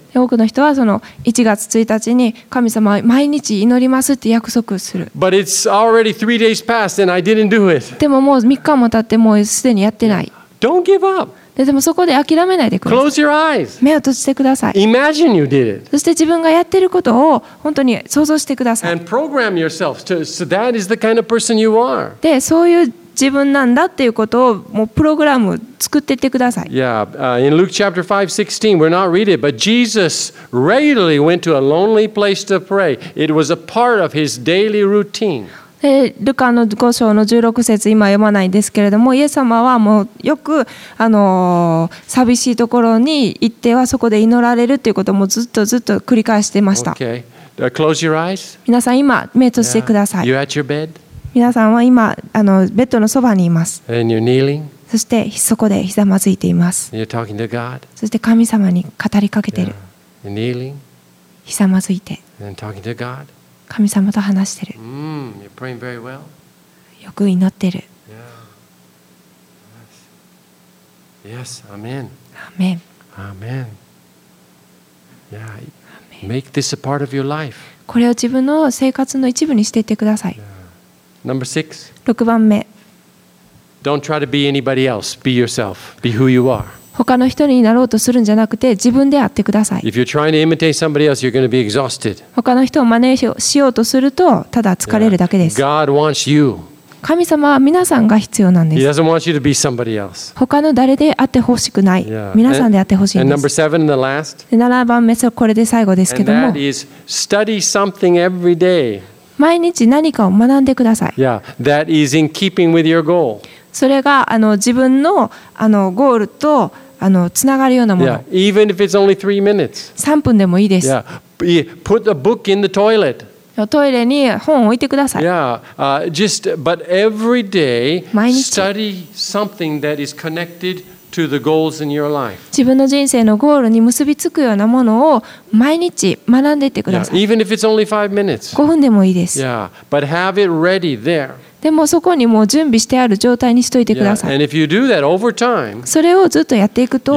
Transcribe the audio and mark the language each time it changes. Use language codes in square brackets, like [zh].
[ja] 多くの人はその1月1日に神様毎日祈りますって約束する。 [en] But it's already 3 days passed and I didn't do it. [ja] でももう3日も経ってもうすでにやってない。 [en] Don't give up. [ja] でもそこで諦めないでください。 [en] Close your eyes. [ja] 目を閉じてください。 [en] Imagine you did it. [ja] そして自分がやってることを本当に想像してください。 [en] And program yourself to so that is the kind of person you are. [ja] でそういう自分なんだっていうことをもうプログラム作っていってください。 [en] Yeah, in Luke chapter 5:16, we're not read it, but Jesus regularly went to a lonely place to pray. It was a part of his daily routine. [ja] ルカの5章の16節今読まないんですけれども、イエス様はもうよく寂しいところに行ってはそこで祈られるっていうこともずっとずっと繰り返してました。 [en] Okay, close your eyes. [ja] 皆さん今目閉じてください。 [en] Yeah. You're at your bed. [ja] 皆さんは今ベッドのそばにいます。 [en] And you're kneeling. [ja] そしてそこでひざまずいています。 [en] You're talking to God. [ja] そして神様に語りかけている。 [en] Yeah. You're kneeling. [ja] ひざまずいて。 [en] And talking to God. [ja] 神様と話している。 [en] You're praying very well. [ja] よく祈ってる。 [en] Yeah. Yes. Amen. Amen. Amen. Yeah. Amen. Make this a part of your life. [ja] これを自分の生活の一部にしていってください。 [en] Number six. [ja] 6番目。 [en] Don't try to be anybody else. Be yourself. Be who you are. [ja] 他の人になろうとするんじゃなくて自分であってください。 [en] If you're trying to imitate somebody else, you're going to be exhausted. [ja] 他の人を真似しようとするとただ疲れるだけです。 [en] Yeah. God wants you. [ja] 神様は皆さんが必要なんです。 [en] He doesn't want you to be somebody else. [ja] 他の誰であってほしくない。 [en] Yeah. [ja] 皆さんであってほしいんです。 [en] And number seven, the last. [ja] 7番目はこれで最後ですけども。 [en] And that is study something every day. [ja] 毎日何かを学んでください。 [en] Yeah, that is in keeping with your goal. [ja] それが自分のゴールとつながるようなもの。 [en] Yeah, even if it's only three minutes. [ja] 3分でもいいです。 [en] Yeah, put a book in the toilet. [ja] トイレに本を置いてください。 [en] Yeah, just but every day study something that is connected to the goals in your life. [ja] 自分の人生のゴールに結びつくようなものを毎日学んでいってください。 [en] Yeah, even if it's only five minutes. [ja] 5分でもいいです。 [en] Yeah, but have it ready there. [ja] でもそこにもう準備してある状態にしといてください。 [en] Yeah. [ja] それをずっとやっていくと、